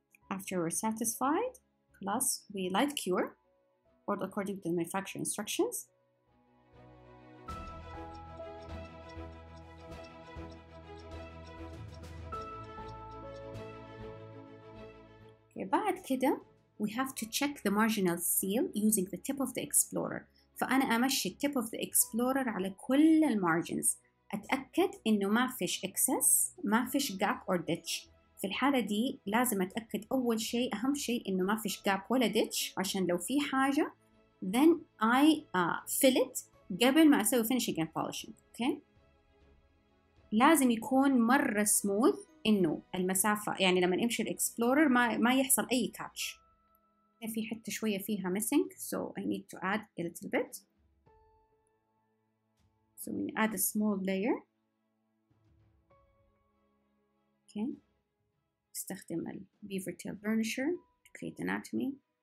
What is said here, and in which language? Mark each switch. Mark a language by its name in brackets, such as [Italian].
[English] After we're satisfied, plus we light cure, or according to the manufacturer instructions. [Arabic] بعد كده [English] we have to check the marginal seal using the tip of the explorer. [Arabic] فأنا أمشي [English] tip of the explorer [Arabic] على كل المارجنز أتأكد إنه ما فيش excess, ما فيش [English] gap or ditch. [Arabic] في الحالة دي لازم أتأكد أول شيء أهم شيء إنه ما فيش gap ولا ditch عشان لو في حاجة [English] then I fill it [Arabic] قبل ما أسوي [English] finishing and polishing. Okay? [Arabic] لازم يكون مرة سموث، إنه المسافة يعني لما نمشي الإكسبلورر ما يحصل أي كاتش. في حتة شوية فيها [English] missing, so I need to add a little bit. So we add a small layer. Okay. [Arabic] استخدم ال [English] beaver tail burnisher to create anatomy.